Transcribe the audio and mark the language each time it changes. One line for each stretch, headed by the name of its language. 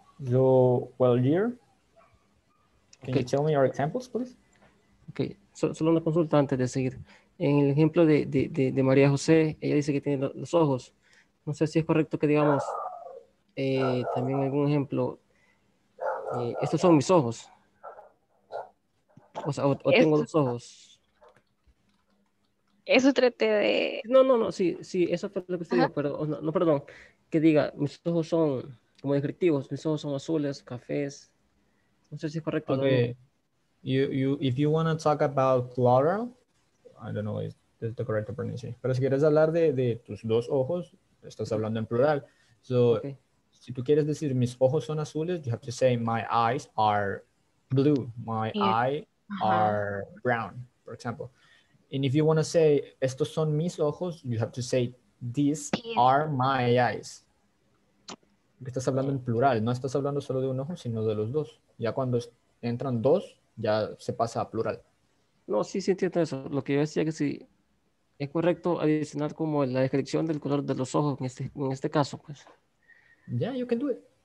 English: So, well, dear, can you tell me your examples, please?
Spanish: Okay, solo una consulta antes de seguir. En el ejemplo de María José, ella dice que tiene los ojos. No sé si es correcto que digamos, también algún ejemplo, estos son mis ojos. O sea, o tengo los ojos. Eso traté de... No, sí, eso fue lo que usted dijo, pero no, perdón. Que diga, mis ojos son como descriptivos, mis ojos son azules, cafés. No sé si es correcto. Okay.
English: If you want to talk about plural, I don't know if this is the correct pronunciation.
Spanish: Pero si quieres hablar de tus dos ojos, estás hablando en plural.
English: So, okay.
Spanish: Si tú quieres decir mis ojos son azules,
English: you have to say my eyes are blue. My eyes are brown, for example. And if you want to say
Spanish: estos son mis ojos,
English: you have to say these are my eyes.
Spanish: Porque estás hablando en plural. No estás hablando solo de un ojo, sino de los dos. Ya cuando entran dos, ya se pasa a plural. No, sí entiendo eso. Lo que yo decía es que sí, es correcto adicionar como la descripción del color de los ojos en este caso, pues.
English: Ya, yeah, you can do it.